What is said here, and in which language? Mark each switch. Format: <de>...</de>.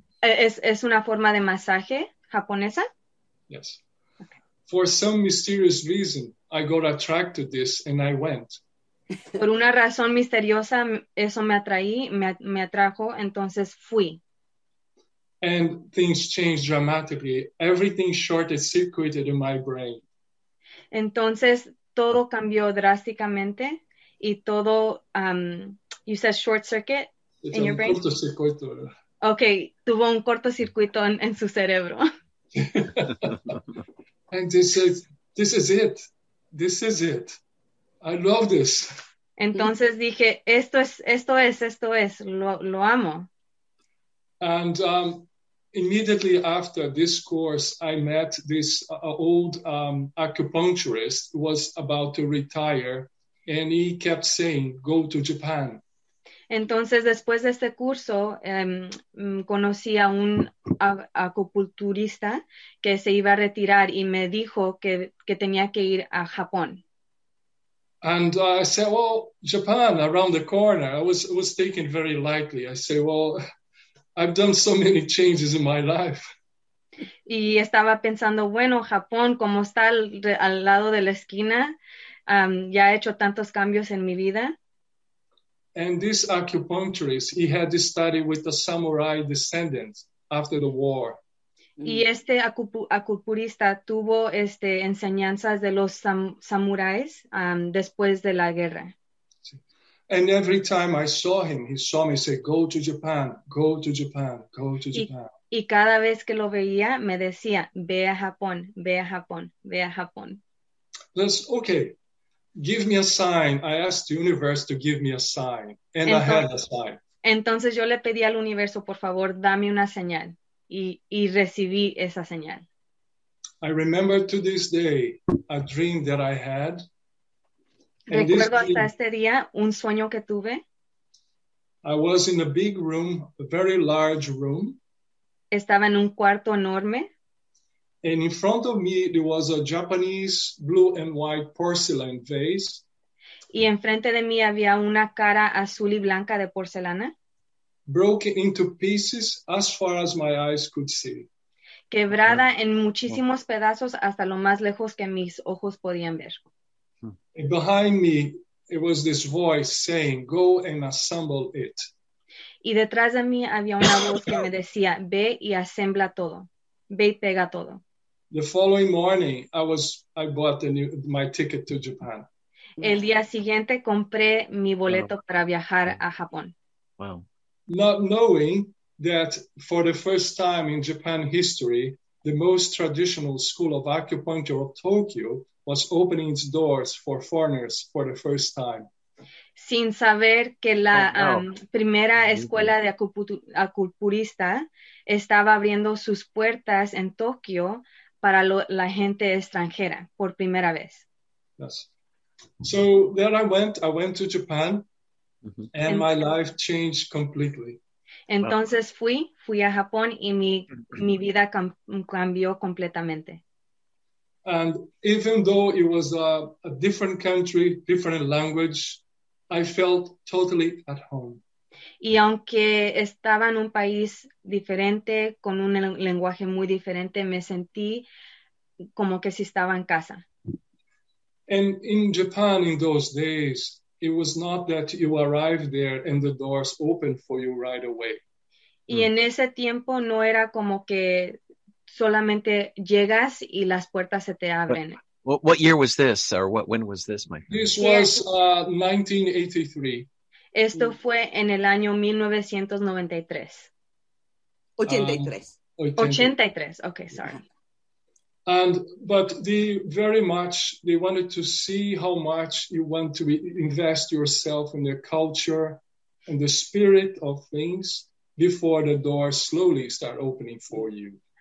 <es>Es una forma de masaje japonesa.</es> <en>Yes. Okay. For some mysterious reason, I got attracted to this and I went.</en> <es>Por una razón misteriosa, eso me atrajo, entonces fui.</es> <en>And things changed dramatically. Everything short-circuited in my brain.</en> <es>Entonces, todo cambió drásticamente y todo,</es> <en>you said short-circuit in your brain?</en> <es>Un cortocircuito. Okay, tuvo un cortocircuito en su cerebro.</es> <en>And this is it. This is it. I love this.</en> <es>Entonces dije, esto es, lo amo.</es> <en>And immediately after this course, I met this old acupuncturist who was about to retire, and he kept saying, go to Japan.</en> <es>Entonces, después de este curso, conocí a un acupunturista que se iba a retirar y me dijo que tenía que ir a Japón.</es> <en>And I said, well, Japan, around the corner. I was taken very lightly. I said, well, I've done so many changes in my life.</en> <es>Y estaba pensando, bueno, Japón, como está al lado de la esquina, ya he hecho tantos cambios en mi vida.</es> <en>And this acupuncturist, he had this study with the samurai descendants after the war.</en> <es>Y este acupunturista tuvo enseñanzas de los samuráis después de la guerra.</es> <en>And every time I saw him, he saw me say, go to Japan, go to Japan, go to Japan.</en> <es>Y cada vez que lo veía, me decía, ve a Japón, ve a Japón, ve a Japón.</es> <en>That's okay. Give me a sign. I asked the universe to give me a sign. And</en> <es>entonces,</es> <en>I had a sign.</en> <es>Entonces yo le pedí al universo, por favor, dame una señal. Y recibí esa señal.</es> <en>I remember to this day a dream that I had.</en> <es>Recuerdo hasta dream, este día un sueño que tuve.</es> <en>I was in a big room, a very large room.</en> <es>Estaba en un cuarto enorme.</es> <en>And in front of me there was a Japanese blue and white porcelain vase.</en> <es>Y enfrente de mí había una cara azul y blanca de porcelana.</es> <en>Broken into pieces as far as my eyes could see.</en> <es>Quebrada en muchísimos pedazos hasta lo más lejos que mis ojos podían ver.</es> <en>And behind me, it was this voice saying, go and assemble it.</en> <es>Y detrás de mí había una voz que me decía, ve y asembla todo. Ve y pega todo.</es> <en>The following morning, I bought my ticket to Japan.</en> <es>El día siguiente compré mi boleto para viajar a Japón.</es> <en>Wow. Not knowing that for the first time in Japan history, the most traditional school of acupuncture of Tokyo was opening its doors for foreigners for the first time.</en> <es>Sin saber que la primera escuela de acupunturista estaba abriendo sus puertas en Tokio para la gente extranjera por primera vez.</es> <en>Yes. So there I went to Japan. Mm-hmm. And my life changed completely.</en> <es>Entonces fui a Japón y mi vida cambió completamente.</es> <en>And even though it was a different country, different language, I felt totally at home.</en> <es>Y aunque estaba en un país diferente, con un lenguaje muy diferente, me sentí como que si estaba en casa.</es> <en>And in Japan in those days, it was not that you arrived there and the doors opened for you right away.</en> <es>Y en ese tiempo no era como que solamente llegas y las puertas se te abren.</es> <en>What year was this, or when was this, my friend? This was 1983.</en> <es>Esto fue en el año 1993.</es> <en>83. Okay, sorry. But they very much, they wanted to see how much you want to invest yourself in their culture and the spirit of things before the doors slowly start opening for you.</en>